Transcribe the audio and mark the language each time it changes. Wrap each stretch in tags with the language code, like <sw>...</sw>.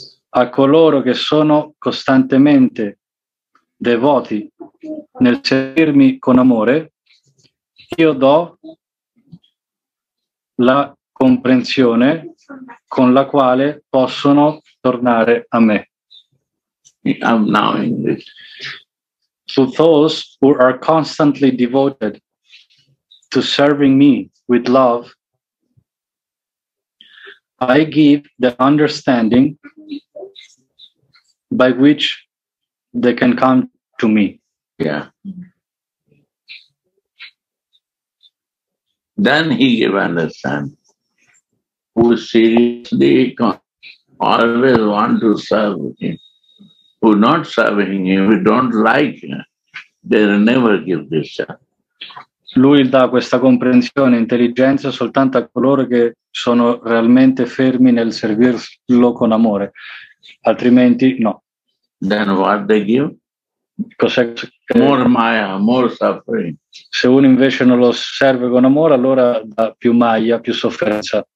<it>A coloro che sono costantemente devoti nel servirmi con amore, io do la comprensione con la quale possono tornare a me.</it> <en>I'm now in this. To those who are constantly devoted to serving me with love, I give the understanding by which they can come to me. Yeah. Then he gave understanding. Who seriously always want to serve him, who not serving him, who don't like him, they never give this chance.</en> <it>Lui dà questa comprensione, intelligenza soltanto a coloro che sono realmente fermi nel servirlo con amore, altrimenti no.</it> <en>Then what they give?</en> <it>Cos'è?</it> <en>More maya, more suffering.</en> <it>Se uno invece non lo serve con amore, allora dà più maya, più sofferenza.</it>